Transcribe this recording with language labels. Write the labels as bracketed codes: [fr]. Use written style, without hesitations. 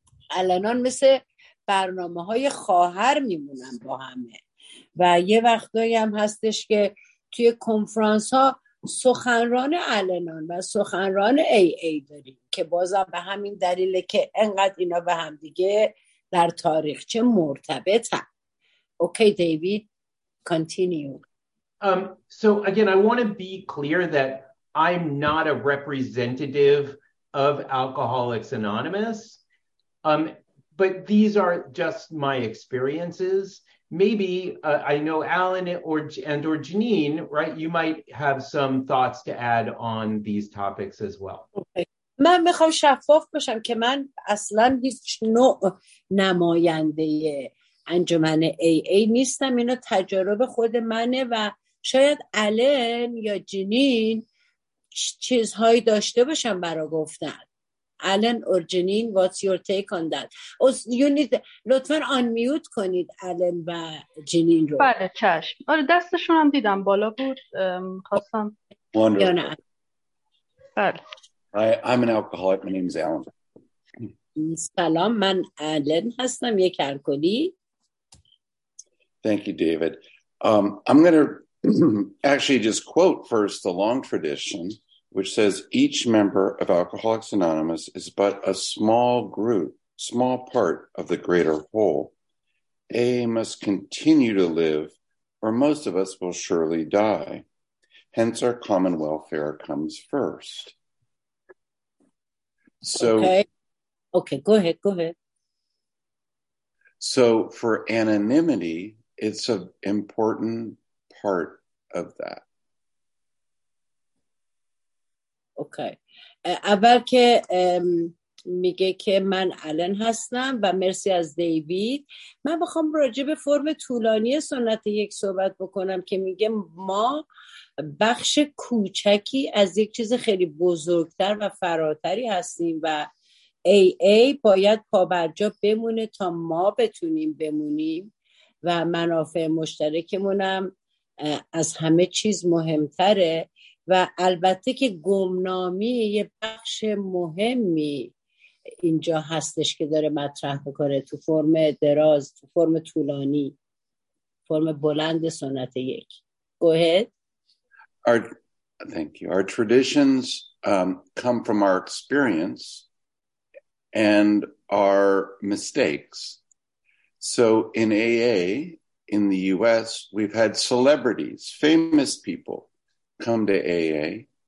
[fa] الانان مثل برنامه های خواهر میمونن با همه و یه وقتایی هم هستش که توی کنفرانس ها سخنران الانان و سخنران AA داریم که بازم به همین دلیله که انقدر اینا به هم دیگه در تاریخچه مرتبطن. [en] Okay David, continue. So again, I want to be clear that I'm not a representative of Alcoholics Anonymous, but these are just my experiences. Maybe I know Alan or Janine, right? You might have some thoughts to add on these topics as well. [fa] من میخوام شفاف باشم که من اصلا هیچ نوع نماینده انجمن AA نیستم. اینا تجارب خود منه و شاید آلن یا جنین چیزهایی داشته باشن برای گفتن. [en] Alan or Janine, what's your take on that? You need [fa] لطفاً آن میوت کنید آلن و جنین رو. بله چشم. آره دستشون هم دیدم بالا بود. خواستم [en] Wonderful. [fa] بله. [en] I'm an alcoholic. My name is Alan. [fa] سلام من آلن هستم یک الکلی. [en] Thank you, David. I'm going to actually just quote first the long tradition, which says each member of Alcoholics Anonymous is but a small group, small part of the greater whole. AA must continue to live, or most of us will surely die. Hence, our common welfare comes first. So, okay, go ahead. So, for anonymity, it's an important part of that. Okay. [fa] اول که میگه که من آلن هستم و مرسی از دیوید. من میخوام راجع به فرم طولانی سنت یک صحبت بکنم که میگه ما بخش کوچکی از یک چیز خیلی بزرگتر و فراتری هستیم و AA باید پابرجا بمونه تا ما بتونیم بمونیم و منافع مشترکمونم از همه چیز مهمتره و البته که گمنامی یه بخش مهمی اینجا هستش که داره مطرح بکنه تو فرم دراز، تو فرم طولانی، فرم بلند سنت یک. [en] Go ahead. Our traditions come from our experience and our mistakes. So in AA, in the US, we've had celebrities, famous people come to AA.